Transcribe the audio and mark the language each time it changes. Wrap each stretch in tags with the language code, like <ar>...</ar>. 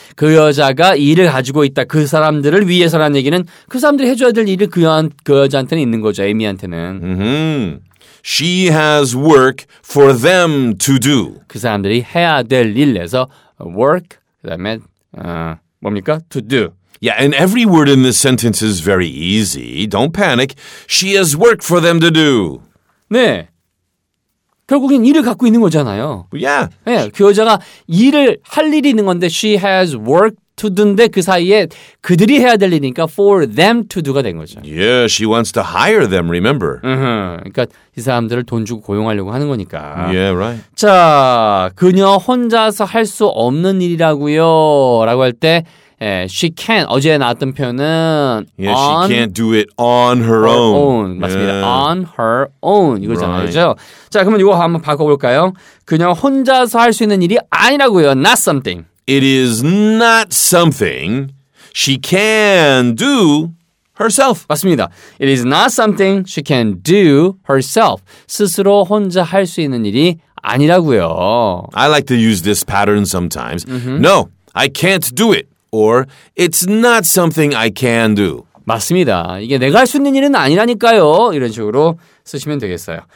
<ko>그 여자가 일을 가지고 있다. 그 사람들을 위해서라는 얘기는 그 사람들이 해줘야 될 일이 그 여자한테는 있는 거죠. 에미한테는. Mm-hmm.</ko> <en>She has work for them to do.</en> <ko>그 사람들이 해야 될 일에서 work, 그 다음에 뭡니까?</ko> <en>To do. Yeah, and every word in this sentence is very easy. Don't panic. She has work for them to do. 네.</en> <ko>결국엔 일을 갖고 있는 거잖아요.</ko> <en>Yeah.</en> <ko>네, 그 여자가 일을 할 일이 있는 건데</ko> <en>she has work to do인데 그 사이에 그들이 해야 될 일이니까 for them to do</en> <ko>가 된 거죠.</ko> <en>Yeah, she wants to hire them, remember.</en> <ko>그러니까 이 사람들을 돈 주고 고용하려고 하는 거니까.</ko> <en>Yeah, right.</en> <ko>자, 그녀 혼자서 할 수 없는 일이라고요 라고 할 때</ko> <en>Yeah, she can't.</en> <ko>어제 나왔던 표현은</ko> <en>Yeah, on she can't do it on her own. own. 맞습니다. Yeah. On her own. 이거잖아요. Right. 그렇죠?</en> <ko>자, 그러면 이거 한번 바꿔볼까요? 그냥 혼자서 할 수 있는 일이 아니라고요.</ko> <en>Not something. It is not something she can do herself.</en> <ko>맞습니다. It is not something she can do herself. 스스로 혼자 할 수 있는 일이 아니라고요.</ko> <en>I like to use this pattern sometimes. Mm-hmm. No, I can't do it. Or, it's not something I can do.</en> <ko>맞습니다. 이게 내가 할 수 있는 일은 아니라니까요. 이런 식으로 쓰시면 되겠어요.</ko>